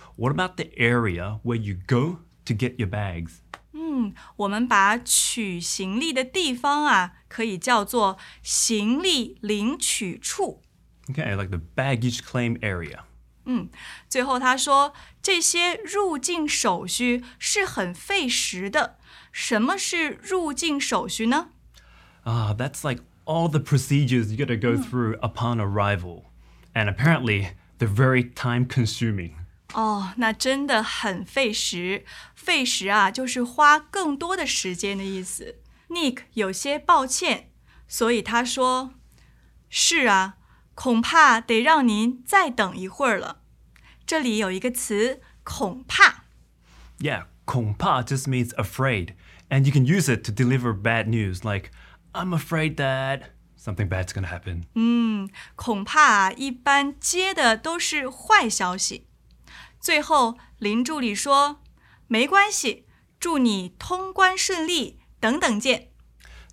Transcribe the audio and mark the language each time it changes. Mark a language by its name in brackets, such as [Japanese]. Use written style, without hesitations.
[English] What about the area where you go to get your bags? [Chinese] 我们把取行李的地方啊，可以叫做行李领取处。 [English] Okay, like the baggage claim area. [Chinese] 最后他说，这些入境手续是很费时的。什么是入境手续呢？ [English] That's like all the procedures you gotta go through upon arrival. And apparently, they're very time-consuming. [Chinese] 哦，那真的很费时。费时啊，就是花更多的时间的意思。 Nick 有些抱歉，所以他说：“是啊，恐怕得让您再等一会儿了。” 这里有一个词，恐怕。 [English] Yeah, 恐怕 just means afraid, and you can use it to deliver bad news, like I'm afraid that something bad's gonna happen. [Chinese] 恐怕、一般接的都是坏消息。最后，林助理说：“没关系，祝你通关顺利，等等见。”